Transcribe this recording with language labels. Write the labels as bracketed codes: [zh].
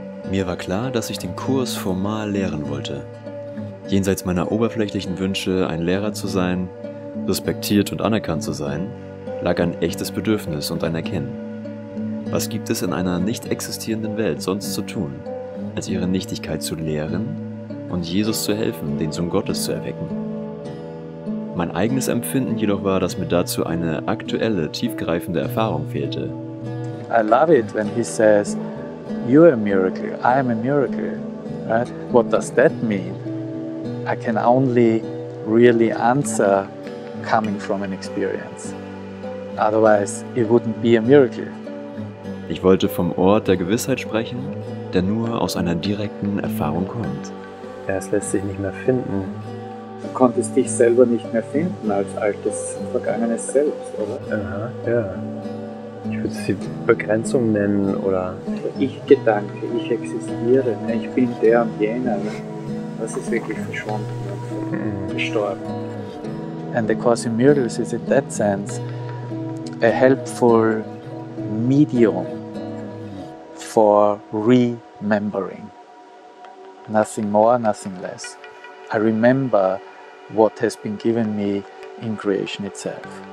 [de] Mir war klar, dass ich den Kurs formal lehren wollte. Jenseits meiner oberflächlichen Wünsche, ein Lehrer zu sein, respektiert und anerkannt zu sein, lag ein echtes Bedürfnis und ein Erkennen. Was gibt es in einer nicht existierenden Welt sonst zu tun, als ihre Nichtigkeit zu lehren und Jesus zu helfen, den Sohn Gottes zu erwecken? Mein eigenes Empfinden jedoch war, dass mir dazu eine aktuelle, tiefgreifende Erfahrung fehlte. [en] I love it when he says, you're a miracle, I'm a miracle, right? What does that mean? I can only really answer coming from an experience. Otherwise, it wouldn't be a miracle. [de] Ich wollte vom Ort der Gewissheit sprechen, der nur aus einer direkten Erfahrung kommt. Ja, es lässt sich nicht mehr finden. Du konntest dich selber nicht mehr finden als altes, vergangenes Selbst, oder? Aha, ja. Ich würde sie Begrenzung nennen, oder? Ich-Gedanke, ich existiere, ich bin der und jener. Das ist wirklich verschwunden, gestorben. [en] And the Course in Miracles is in that sense a helpful medium for remembering. Nothing more, nothing less. I remember what has been given me in creation itself.